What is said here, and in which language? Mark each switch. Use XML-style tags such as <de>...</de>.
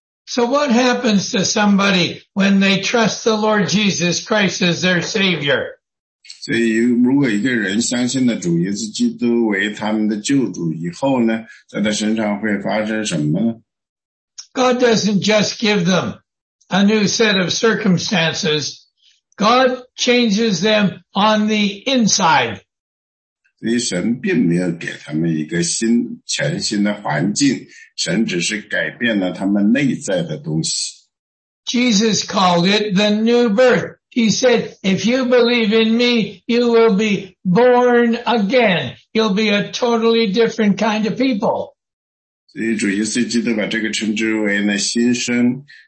<en>So what happens to somebody when they trust the Lord Jesus Christ as their Savior?</en> <zh>所以如果一个人相信了主耶稣基督为他们的救主以后呢, 在他身上会发生什么呢?</zh> <en>God doesn't just give them a new set of circumstances. God changes them on the inside.</en> <zh>所以神并没有给他们一个全新的环境, 神只是改变了他们内在的东西。</zh> <en>Jesus called it the new birth. He said, if you believe in me, you will be born again. You'll be a totally different kind of people.</en> <zh>所以主耶稣基督把这个称之为呢新生。</zh>